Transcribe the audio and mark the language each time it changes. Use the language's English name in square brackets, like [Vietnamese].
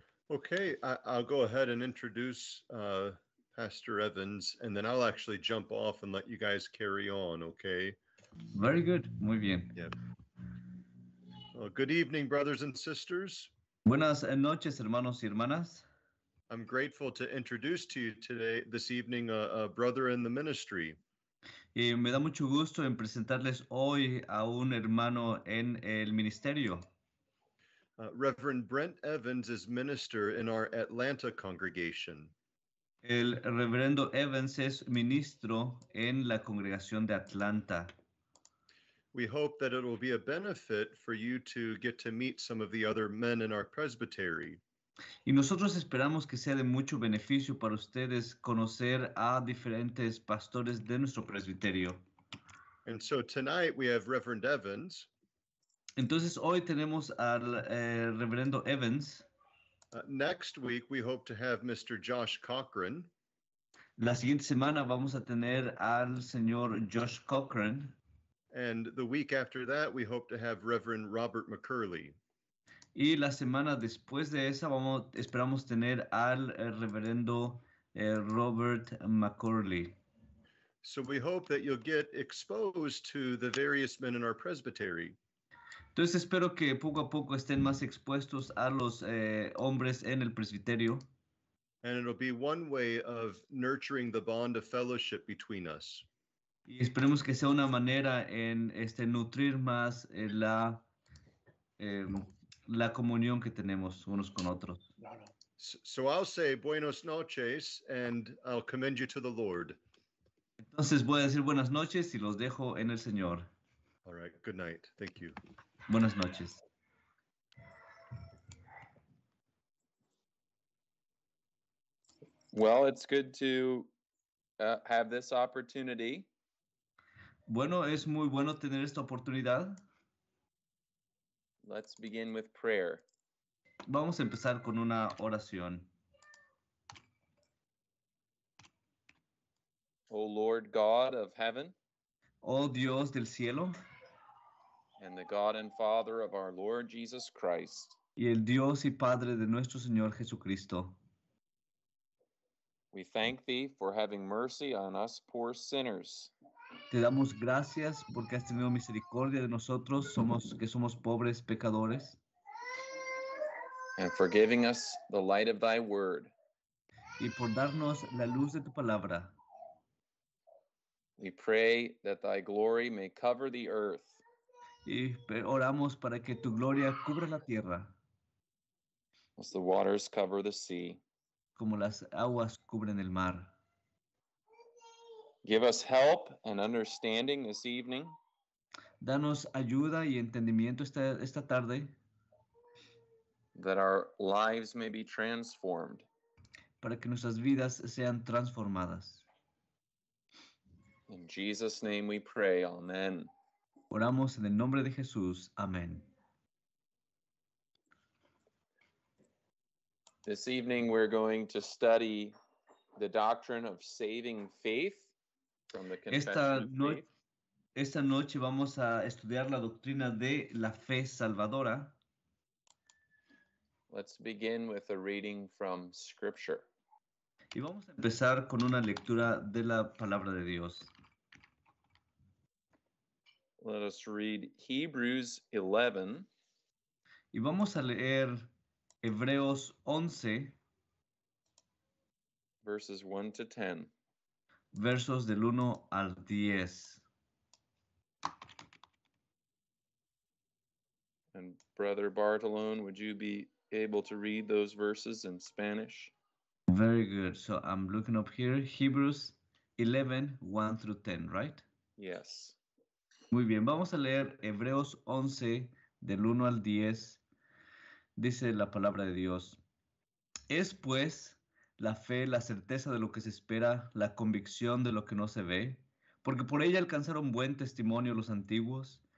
[English] Okay, I'll go ahead and introduce Pastor Evans, and then I'll actually jump off and let you guys carry on, okay? Very good. [Spanish] Muy bien. [English] Yep. Well, good evening, brothers and sisters. [Spanish] Buenas noches, hermanos y hermanas. [English] I'm grateful to introduce to you today, this evening, a brother in the ministry. [Spanish] Y me da mucho gusto en presentarles hoy a un hermano en el ministerio. [English] Reverend Brent Evans is minister in our Atlanta congregation. [Spanish] El Reverendo Evans es ministro en la congregación de Atlanta. [English] We hope that it will be a benefit for you to get to meet some of the other men in our presbytery. [Spanish] Y nosotros esperamos que sea de mucho beneficio para ustedes conocer a diferentes pastores de nuestro presbiterio. [English] And so tonight we have Reverend Evans. [Spanish] Entonces hoy tenemos al Reverendo Evans. [English] Next week we hope to have Mr. Josh Cochran. [Spanish] La siguiente semana vamos a tener al señor Josh Cochran. [English] And the week after that we hope to have Reverend Robert McCurley. [Spanish] Y la semana después de esa esperamos tener al Reverendo Robert McCurley. [English] So we hope that you'll get exposed to the various men in our presbytery. [Spanish] Entonces espero que poco a poco estén más expuestos a los hombres en el presbiterio. [English] And it'll be one way of nurturing the bond of fellowship between us. [Spanish] Y esperemos que sea una manera en nutrir más la comunión que tenemos unos con otros. [English] So I'll say [Spanish] buenas noches [English] and I'll commend you to the Lord. [Spanish] Entonces voy a decir buenas noches y los dejo en el Señor. [English] All right, good night. Thank you. [Spanish] Buenas noches. [English] Well, it's good to have this opportunity. [Spanish] Bueno, es muy bueno tener esta oportunidad. [English] Let's begin with prayer. [Spanish] Vamos a empezar con una oración. [English] O Lord God of heaven. [Spanish] Oh Dios del cielo. [English] And the God and Father of our Lord Jesus Christ. [Spanish] Y el Dios y Padre de nuestro Señor Jesucristo. [English] We thank thee for having mercy on us poor sinners. [Spanish] Te damos gracias porque has tenido misericordia de nosotros, somos pobres pecadores. [English] And for giving us the light of thy word. [Spanish] Y por darnos la luz de tu palabra. [English] We pray that thy glory may cover the earth. [Spanish] Y oramos para que tu gloria cubra la tierra. [English] As the waters cover the sea. [Spanish] Como las aguas cubren el mar. [English] Give us help and understanding this evening. [Spanish] Danos ayuda y entendimiento esta tarde. [English] That our lives may be transformed. [Spanish] Para que nuestras vidas sean transformadas. [English] In Jesus' name we pray, amen. [Spanish] Oramos en el nombre de Jesús, amén. [English] This evening we're going to study the doctrine of saving faith from the confession of faith. [Spanish] Esta noche vamos a estudiar la doctrina de la fe salvadora. [English] Let's begin with a reading from Scripture. [Spanish] Y vamos a empezar con una lectura de la palabra de Dios. [English] Let us read Hebrews 11. [Spanish] Y vamos a leer Hebreos 11. [English] Verses 1 to 10. [Spanish] Versos del 1 al 10. [English] And Brother Bartolone, would you be able to read those verses in Spanish? Very good. So I'm looking up here, Hebrews 11, 1 through 10, right? Yes. [Spanish] Muy bien, vamos a leer Hebreos 11, del 1 al 10. Dice la palabra de Dios. Es pues la fe, la certeza de lo que se espera, la convicción de lo que no se ve, porque por ella alcanzaron buen testimonio los antiguos.